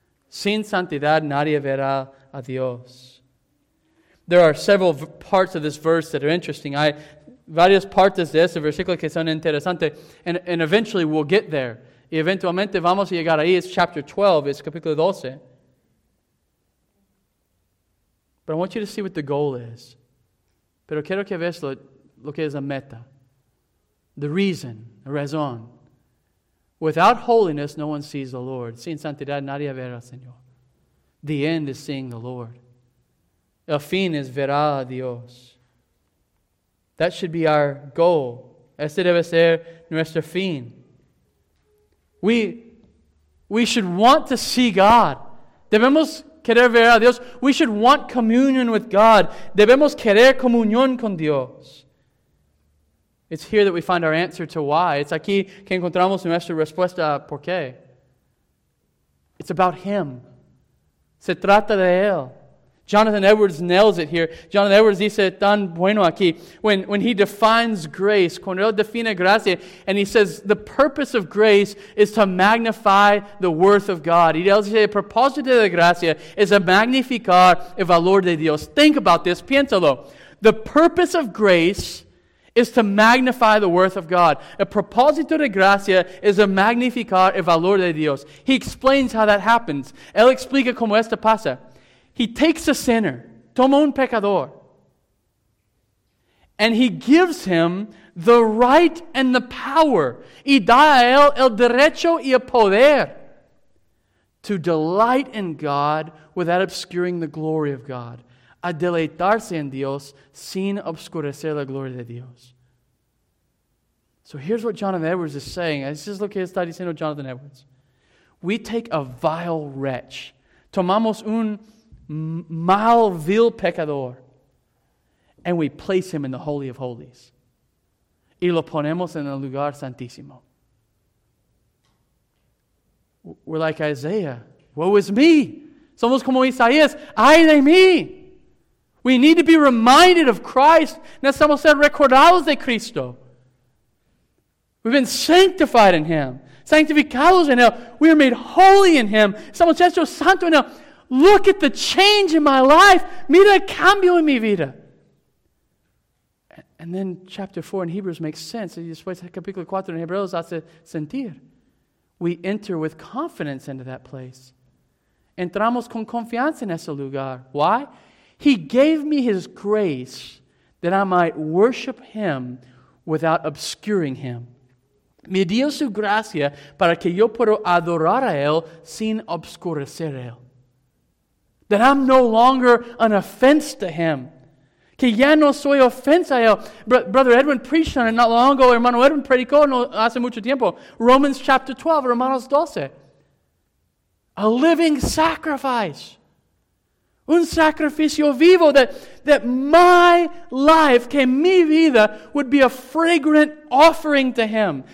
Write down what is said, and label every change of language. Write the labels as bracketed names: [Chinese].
[Spanish] Sin santidad, nadie verá a Dios. [English] There are several parts of this verse that are interesting. [Spanish] Hay varias partes de este versículo que son interesantes. [English] And eventually we'll get there. [Spanish] Y eventualmente vamos a llegar ahí. [English] It's chapter 12. [Spanish] It's capítulo 12. [English] But I want you to see what the goal is. [Spanish] Pero quiero que veas lo que es la meta. [English] The reason, [Spanish] the razón. [English] Without holiness, no one sees the Lord. [Spanish] Sin santidad, nadie verá al Señor. [English] The end is seeing the Lord. [Spanish] El fin es ver a Dios. [English] That should be our goal. [Spanish] Ese debe ser nuestro fin. [English] We should want to see God. [Spanish] Debemos querer ver a Dios. [English] We should want communion with God. [Spanish] Debemos querer comunión con Dios. [English] It's here that we find our answer to why. [Spanish] It's aquí que encontramos nuestra respuesta a por qué. [English] It's about Him. [Spanish] Se trata de Él. [English] Jonathan Edwards nails it here. [Spanish] Jonathan Edwards dice tan bueno aquí. [English] When he defines grace, [Spanish] cuando él define gracia, [English] and he says the purpose of grace is to magnify the worth of God. [Spanish] Y él dice, el propósito de gracia es a magnificar el valor de Dios. [English] Think about this, [Spanish] piénsalo. [English] The purpose of grace is to magnify the worth of God. [Spanish] El propósito de gracia es a magnificar el valor de Dios. [English] He explains how that happens. [Spanish] Él explica cómo esto pasa. [English] He takes a sinner, [Spanish] toma un pecador, [English] and he gives him the right and the power, [Spanish] y da a él el derecho y el poder, [English] to delight in God without obscuring the glory of God. [Spanish] A deleitarse en Dios sin obscurecer la gloria de Dios. [English] So here's what Jonathan Edwards is saying. This is [Spanish] lo que está diciendo Jonathan Edwards. [English] We take a vile wretch. [Spanish] Tomamos un mal vil pecador. [English] And we place him in the Holy of Holies. [Spanish] Y lo ponemos en el lugar santísimo. [English] We're like Isaiah. Woe is me. [Spanish] Somos como Isaías. Ay de mí. [English] We need to be reminded of Christ. [Spanish] Necesitamos ser recordados de Cristo. [English] We've been sanctified in Him. [Spanish] Sanctificados en Él. [English] We are made holy in Him. [Spanish] Somos hechos santos en Él. [English] Look at the change in my life. [Spanish] Mira el cambio en mi vida. [English] And then chapter 4 in Hebrews makes sense. [Spanish] Y después capítulo 4 en Hebreos hace sentir. [English] We enter with confidence into that place. [Spanish] Entramos con confianza en ese lugar. [English] Why? He gave me His grace that I might worship Him without obscuring Him. [Spanish] Me dio su gracia para que yo pueda adorar a Él sin obscurecer a Él. [English] That I'm no longer an offense to Him. [Spanish] Que ya no soy ofensa a Él. [English] Brother Edwin preached on it not long ago. [Spanish] Hermano Edwin predicó no hace mucho tiempo. [English] Romans chapter 12, Romanos 12. A living sacrifice. [Spanish] Un sacrificio vivo, [English] that my life, [Spanish] que mi vida, [English] would be a fragrant offering to Him.